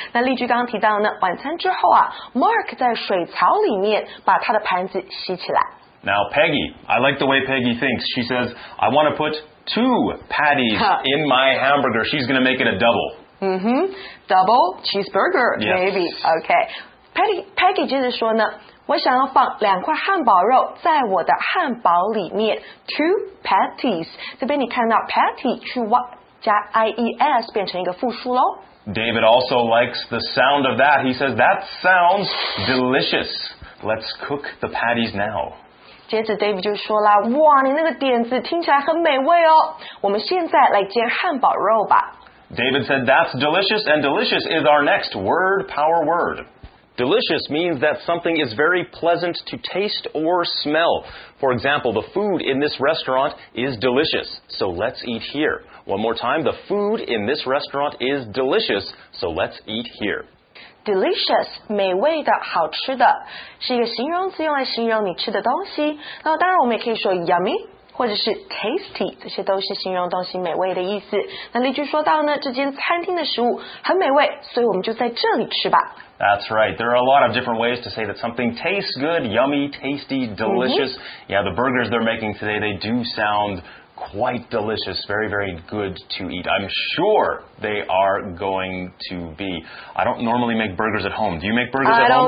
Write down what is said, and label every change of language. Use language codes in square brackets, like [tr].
[zh] 那例句刚刚提到呢，晚餐之后啊 ,Mark 在水槽里面把他的盘子洗起来。 [en] Now, Peggy, I like the way Peggy thinks. She says, I want to put two patties in my hamburger. She's going to make it a double. Double cheeseburger, maybe. Yes. Okay. [zh] Peggy 接着说呢，我想要放两块汉堡肉在我的汉堡里面。 [en] Two patties. [zh] 这边你看到 patty 去挖。加 IES 变成一个复数咯。 [en] David also likes the sound of that. He says, that sounds delicious. Let's cook the patties now. [zh] 接着 David 就说了，哇，你那个点子听起来很美味哦。我们现在来煎汉堡肉吧。 [en] David said, that's delicious, and delicious is our next word power word. Delicious means that something is very pleasant to taste or smell. For example, the food in this restaurant is delicious, so let's eat here. One more time, the food in this restaurant is delicious, so let's eat here. [zh] Delicious, 美味的好吃的是一个形容词用来形容你吃的东西。那当然我们也可以说 yummy。或者是 tasty， 这些都是形容东西美味的意思。那例句说到呢，这间餐厅的食物很美味，所以我们就在这里吃吧。 [en] That's right. There are a lot of different ways to say that something tastes good, yummy, tasty, delicious.、Mm-hmm. Yeah, the burgers they're making today, they do sound quite delicious, very, very good to eat. I'm sure they are going to be. I don't normally make burgers at home. Do you make burgers at home?